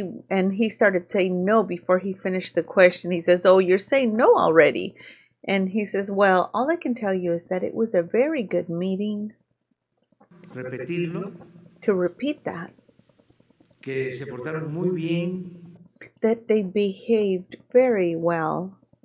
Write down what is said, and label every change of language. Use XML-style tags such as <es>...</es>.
<en>And he started saying no before he finished the question. He says, oh, you're saying no already. And he says, well, all I can tell you is that it was a very good meeting.</en> <es>Repetirlo.</es> <en>To repeat that.</en> <es>Que se portaron muy bien.</es> <en>That they behaved very well.</en>